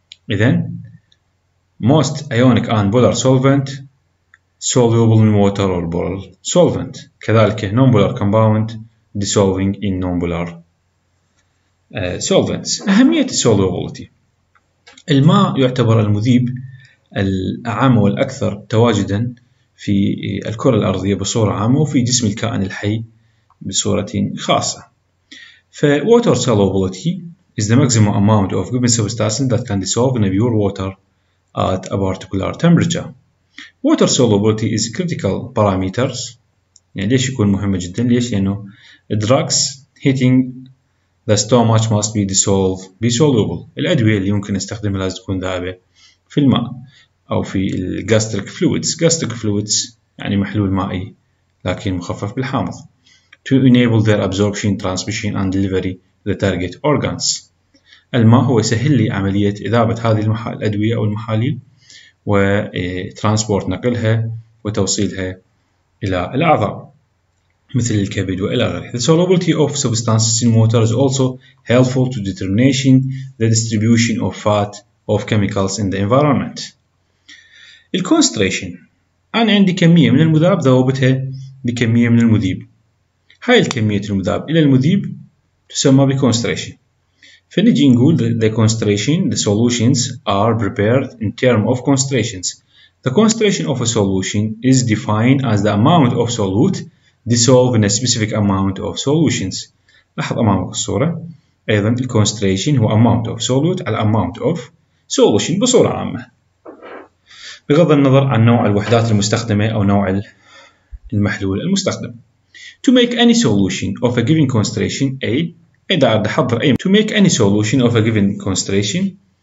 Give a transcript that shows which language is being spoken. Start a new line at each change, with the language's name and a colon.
Arabic: إذن
English: most ionic and polar solvent soluble in water or polar solvent،
Arabic: كذلك
English: non-polar compound dissolving in non-polar solvents.
Arabic: أهمية solubility: الماء يعتبر المذيب الأعم والأكثر تواجدا في الكرة الأرضية بصورة عامة وفي جسم الكائن الحي بصورة خاصة.
English: فwater solubility is the maximum amount of given substance that can dissolve in a pure water at a particular temperature. Water solubility is critical parameters.
Arabic: يعني ليش يكون مهمة جدا؟ ليش؟ لأنه
English: drugs hitting the stomach must be dissolved be soluble.
Arabic: الأدوية اللي ممكن نستخدمها لازم تكون ذائبة في الماء أو في gastric fluids. Gastric fluids يعني محلول مائي لكن مخفف بالحامض.
English: To enable their absorption, transmission and delivery to the target organs.
Arabic: الماء هو يسهل لي عملية إذابة هذه الأدوية أو المحاليل وترانسبورت نقلها وتوصيلها إلى الأعضاء مثل الكبد وإلى غيره.
English: The solubility of substances in water is also helpful to determination the distribution of fat of chemicals in the environment.
Arabic: الكونستريشن، أنا عندي كمية من المذاب ذوبتها بكمية من المذيب. هاي الكمية المذاب إلى المذيب تسمى بكونستريشن. فنجي نقول
English: the concentration the solutions are prepared in terms of concentrations. The concentration of a solution is defined as the amount of solute dissolved in a specific amount of solutions.
Arabic: لاحظ أمامك الصورة. أيضا the concentration هو
English: amount of solute
Arabic: على
English: amount of solution
Arabic: بصورة عامة بغض النظر عن نوع الوحدات المستخدمة أو نوع المحلول المستخدم.
English: To make any solution of a given concentration A,
Arabic: إذا عاد حضر أي
English: to make any solution of a given concentration